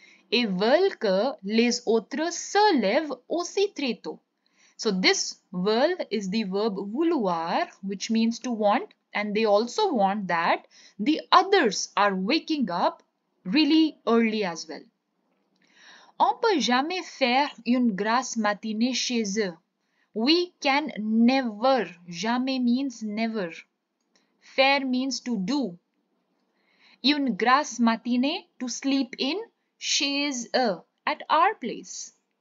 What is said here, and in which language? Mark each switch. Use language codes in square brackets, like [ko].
[fr] Et veulent que les autres se lèvent aussi très tôt. [en] So this veulent is the verb vouloir, which means to want. And they also want that the others are waking up really early as well. [fr] On peut jamais faire une grasse matinée chez eux. [en] We can never. Jamais means never. Faire means to do. [fr] Une grasse matinée, [en] to sleep in, [fr] chez eux, [en] at our place.